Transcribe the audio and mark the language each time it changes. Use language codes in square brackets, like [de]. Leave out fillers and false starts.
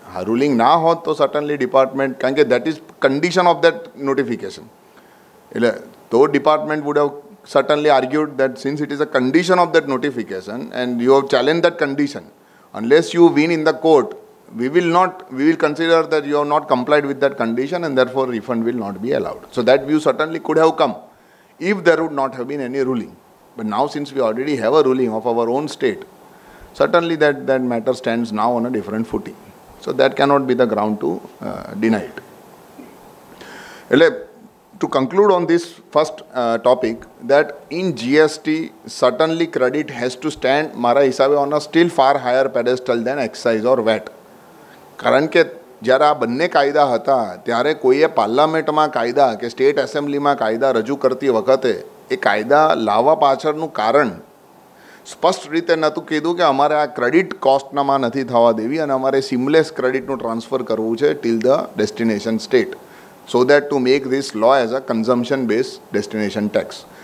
[gu] આ રૂલિંગ ના હોત તો સર્ટનલી ડિપાર્ટમેન્ટ, કારણ કે [en] that is condition of that notification, [gu] એટલે તો [en] Department would have certainly argued that since it is a condition of that notification and you have challenge that condition, unless you win in the court we will consider that you have not complied with that condition and therefore refund will not be allowed. So that view certainly could have come if there would not have been any ruling. But now since we already have a ruling of our own state, certainly that matter stands now on a different footing, so that cannot be the ground to deny it. એટલે to conclude on this first topic, that in GST certainly credit has to stand [gu] mara hisabe [en] on a still far higher pedestal than excise or VAT. [gu] કારણ કે જ્યારે આ બંને કાયદા હતા ત્યારે કોઈએ પાર્લામેન્ટમાં કાયદા કે સ્ટેટ એસેમ્બલીમાં કાયદા રજૂ કરતી વખતે એ કાયદા લાવવા પાછળનું કારણ સ્પષ્ટ રીતે નહોતું કીધું કે અમારે આ ક્રેડિટ કોસ્ટનામાં નથી થવા દેવી અને અમારે સિમલેસ ક્રેડિટનું ટ્રાન્સફર કરવું છે [en] Till the destination state, so that to make this law as a consumption based destination tax.